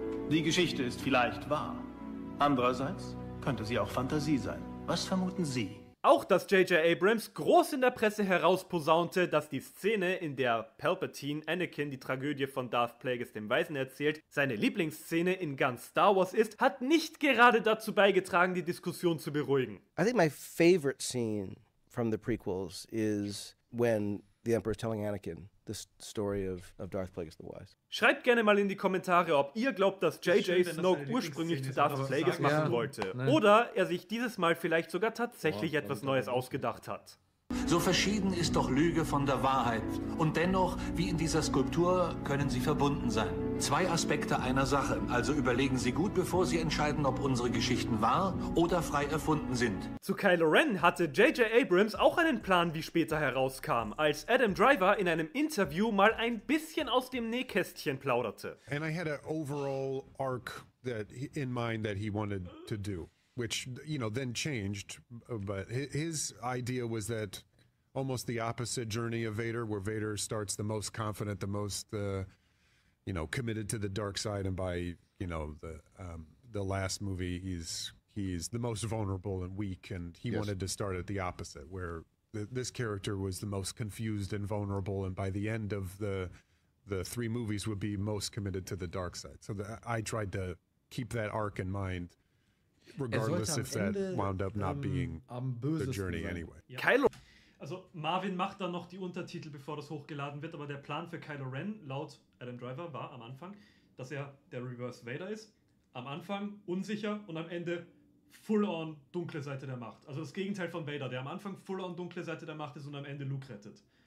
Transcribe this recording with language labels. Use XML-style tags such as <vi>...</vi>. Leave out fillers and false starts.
<de>Die Geschichte ist vielleicht wahr. Andererseits könnte sie auch Fantasie sein. Was vermuten Sie? Auch, dass J.J. Abrams groß in der Presse herausposaunte, dass die Szene, in der Palpatine Anakin die Tragödie von Darth Plagueis dem Weisen erzählt, seine Lieblingsszene in ganz Star Wars ist, hat nicht gerade dazu beigetragen, die Diskussion zu beruhigen.</de> <en>I think my favorite scene from the prequels is when the Emperor is telling Anakin the story of Darth Plagueis the Wise.</en> <de>Schreibt gerne mal in die Kommentare, ob ihr glaubt, dass J.J. Snoke ursprünglich zu Darth Plagueis machen wollte. Nein. Oder er sich dieses Mal vielleicht sogar tatsächlich etwas Neues ausgedacht hat. So verschieden ist doch Lüge von der Wahrheit. Und dennoch, wie in dieser Skulptur, können sie verbunden sein. Zwei Aspekte einer Sache. Also überlegen Sie gut, bevor Sie entscheiden, ob unsere Geschichten wahr oder frei erfunden sind. Zu Kylo Ren hatte J.J. Abrams auch einen Plan, wie später herauskam, als Adam Driver in einem Interview mal ein bisschen aus dem Nähkästchen plauderte.</de> <en>And I had an overall arc that in mind that he wanted to do. Which, you know, then changed, but his idea was that almost the opposite journey of Vader, where Vader starts the most confident, the most, you know, committed to the dark side, and by, you know, the last movie, he's the most vulnerable and weak, and he yes. wanted to start at the opposite, where this character was the most confused and vulnerable, and by the end of the three movies would be most committed to the dark side. So I tried to keep that arc in mind. Regardless if that wound up not being the journey anyway.</en> <de>Ja. Kylo. Also Marvin macht dann noch die Untertitel, bevor das hochgeladen wird, aber der Plan für Kylo Ren laut Adam Driver war am Anfang, dass er der Reverse Vader ist. Am Anfang unsicher und am Ende</de> <en>full on</en> <de>dunkle Seite der Macht. Also das Gegenteil von Vader, der am Anfang</de> <en>full on</en> <de>dunkle Seite der Macht ist und am Ende Luke rettet.</de>